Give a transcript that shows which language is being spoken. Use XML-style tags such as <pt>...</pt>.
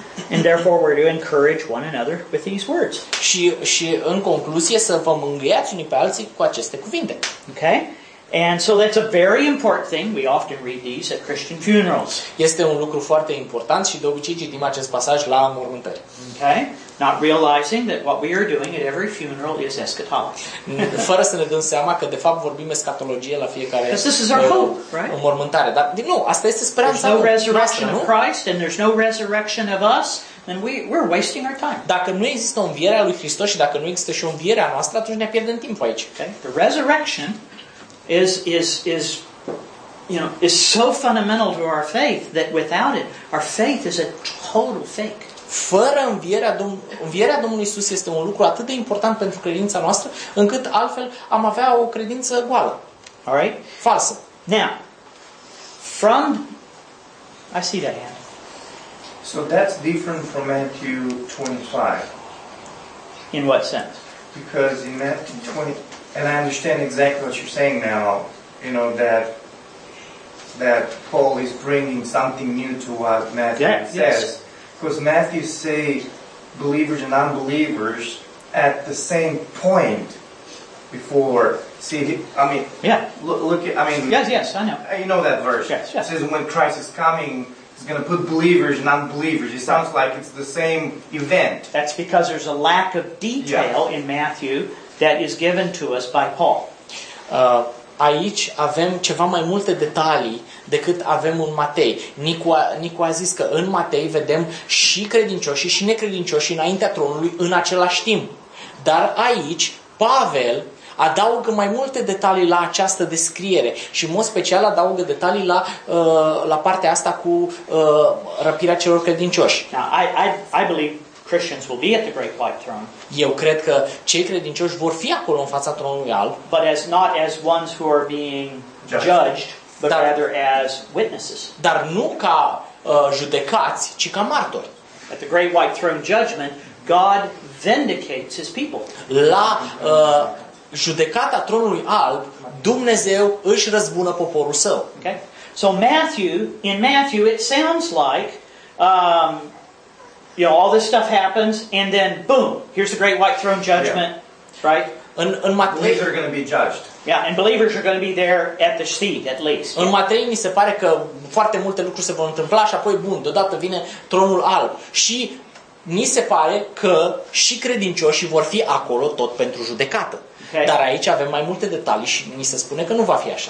<en>And therefore we're to encourage one another with these words.</en> <ro>Și în concluzie să vă mângâiați unii pe alții cu aceste cuvinte.</ro> <en>Okay? And so that's a very important thing. We often read these at Christian funerals.</en> <ro>Este un lucru foarte important și de obicei citim acest pasaj la mormântări.</ro> <en>Okay? Not realizing that what we are doing at every funeral is eschatology.</en> <ro>Fără să ne dăm seama că de fapt vorbim eschatologie la fiecare.</ro> <en>Because this is our hope, right?</en> <ro>O mormântare. Dar nu, asta este speranța.</ro> <en>There's no resurrection of Christ and there's no resurrection of us. And we're wasting our time.</en> <ro>Dacă nu există învierea lui Hristos și dacă nu există și o înviere a noastră, atunci ne pierdem timpul aici.</ro> <en>Okay? The resurrection is you know, is so fundamental to our faith that without it, our faith is a total fake.</en> <ro>Fără învierea Domnului Iisus este un lucru atât de important pentru credința noastră, încât altfel am avea o credință goală.</ro> <en>All right?</en> <ro>Falsă.</ro> <en>Now, from... I see that hand. So that's different from Matthew 25. In what sense? Because in Matthew 20... And I understand exactly what you're saying now, you know, that... that Paul is bringing something new to what Matthew says. Yes. Because Matthew say believers and unbelievers at the same point before. See, Yes, I know. You know that verse. Yes, yes. It says when Christ is coming, he's going to put believers and unbelievers. It sounds like it's the same event. That's because there's a lack of detail in Matthew that is given to us by Paul.</en> <ro>Aici avem ceva mai multe detalii decât avem în Matei. Nicu a zis că în Matei vedem și credincioșii și necredincioșii înaintea tronului în același timp. Dar aici Pavel adaugă mai multe detalii la această descriere și în mod special adaugă detalii la partea asta cu răpirea celor credincioși.</ro> <en>I believe Christians will be at the great white throne.</en> <ro>Eu cred că cei credincioși vor fi acolo în fața tronului alb,</ro> <en>but as not as ones who are being judged, but rather as witnesses.</en> <ro>Dar nu ca judecați, ci ca martori.</ro> <en>At the great white throne judgment, God vindicates his people.</en> <ro>La judecata tronului alb, Dumnezeu își răzbună poporul său.</ro> <en>Okay? So in Matthew it sounds like you know, all this stuff happens, and then, boom, here's the great white throne judgment, right?</en> <ro>în Matei.</ro> <en>Believers are going to be judged. Yeah, and believers are going to be there at the seat at least.</en> <ro>În Matei mi se pare că foarte multe lucruri se vor întâmpla și apoi bun, deodată vine tronul alb. Și mi se pare că și credincioșii vor fi acolo tot pentru judecată.</ro> <en>Okay.</en> <ro>Dar aici avem mai multe detalii și mi se spune că nu va fi așa.</ro>